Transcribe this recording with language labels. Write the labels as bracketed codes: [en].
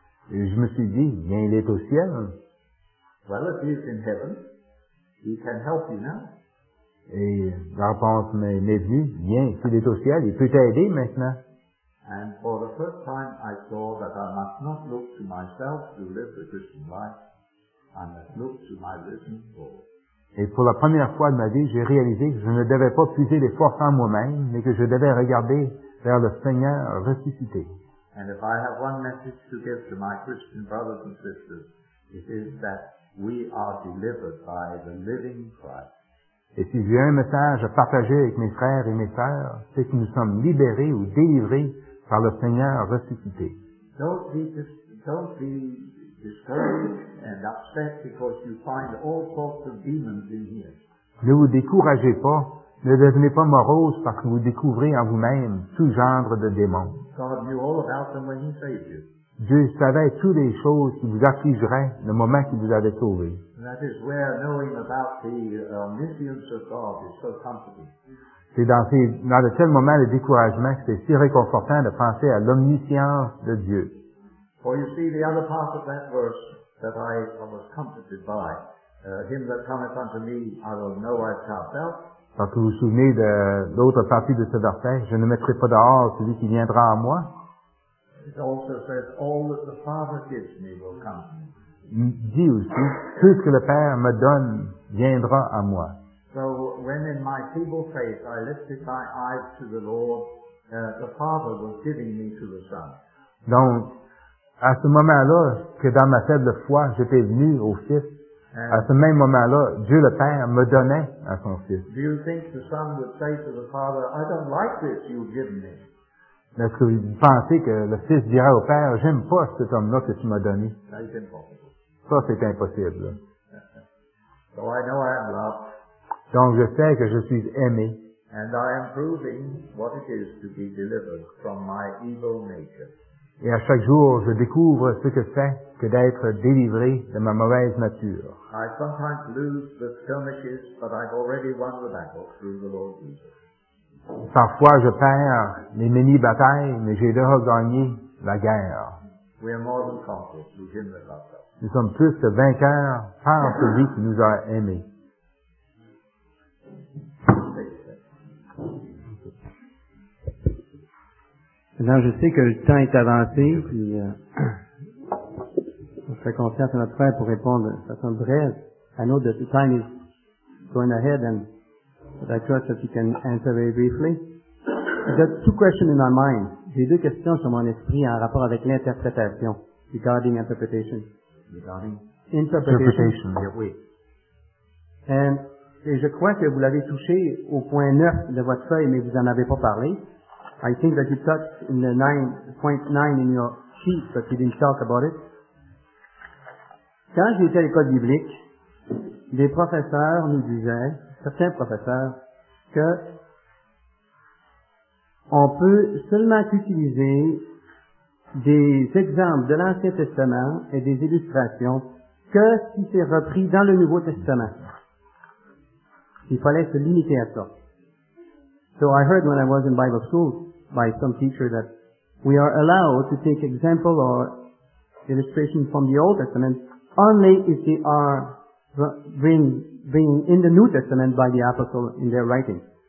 [fr] Et je me suis dit, bien, il est au ciel. [en] Well, if he's in heaven, he can help you now. [fr] Et la réponse m'est venue, bien, s'il est au ciel, il peut t'aider maintenant. [en] And for the first time, I saw that I must not look to myself to live the Christian life, I must look to my risen Lord. [fr] Et pour la première fois de ma vie, j'ai réalisé que je ne devais pas puiser les forces en moi-même, mais que je devais regarder vers le Seigneur ressuscité. [en] And if I have one message to give to my Christian brothers and sisters, it is that we are delivered by the living Christ. [fr] Et si j'ai un message à partager avec mes frères et mes sœurs, c'est que nous sommes libérés ou délivrés par le Seigneur ressuscité. [en] Don't be discouraged and upset because you find all sorts of demons in here. [fr] Ne vous découragez pas, ne devenez pas morose parce que vous découvrez en vous-même tout genre de démons. [en] God knew all about them when he saved you. [fr] Dieu savait toutes les choses qui vous affligeraient le moment qu'il vous avait sauvé. [en] That is where knowing about the omniscience of God is so comforting. [fr] C'est dans de tels moments de découragement que c'est si réconfortant de penser à l'omniscience de Dieu. [en] For you see the other part of that verse that I was comforted by, him that cometh unto me, I will know I have cast out. [fr] Parce que vous souvenez de l'autre partie de ce verset, je ne mettrai pas dehors celui qui viendra à moi. [en] It also says, all that the Father gives me will come. [fr] dit aussi, tout ce que le Père me donne viendra à moi. [en] So when in my feeble faith I lifted my eyes to the Lord, the Father was giving me to the Son. [fr] Donc, à ce moment-là, que dans ma faible foi, j'étais venu au Fils, à ce même moment-là, Dieu le Père me donnait à son Fils. [en] Do you think the Son would say to the Father, I don't like this you've given me? [fr] Est-ce que vous pensez que le Fils dirait au Père, j'aime pas cet homme-là que tu m'as donné? [en] That's impossible. [fr] Ça, c'est impossible. [en] So I know I am loved. [fr] Donc, je sais que je suis aimé. [en] And I am proving what it is to be delivered from my evil nature. [fr] Et à chaque jour, je découvre ce que c'est que d'être délivré de ma mauvaise nature. [en] I sometimes lose the skirmishes, but I've already won the battle through the Lord Jesus. [fr] Parfois, je perds les mini-batailles, mais j'ai déjà gagné la guerre. [en] We are more than conquerors through Him that loved us. [fr] Nous sommes plus que vainqueurs par celui qui nous a aimés. Maintenant, je sais que le temps est avancé, puis on fait confiance à notre frère pour répondre de façon brève. [en] I know that the time is going ahead, and but I trust that you can answer very briefly. I've got two questions in my mind. [fr] J'ai deux questions sur mon esprit en rapport avec l'interprétation, [en] regarding interpretation. Interpretation. [fr] And, et je crois que vous l'avez touché au point 9 de votre feuille, mais vous n'en avez pas parlé. [en] I think that you touched in the 9.9 in your sheet, but you didn't talk about it. [fr] Quand j'étais à l'école biblique, les professeurs nous disaient, certains professeurs, que on peut seulement utiliser des exemples de l'Ancien Testament et des illustrations que si c'est repris dans le Nouveau Testament. Il fallait se limiter à ça. [en] So I heard when I was in Bible school, by some teacher that we are allowed to take example or illustration from the Old Testament only if they are bring in the New Testament by the apostle in their writing.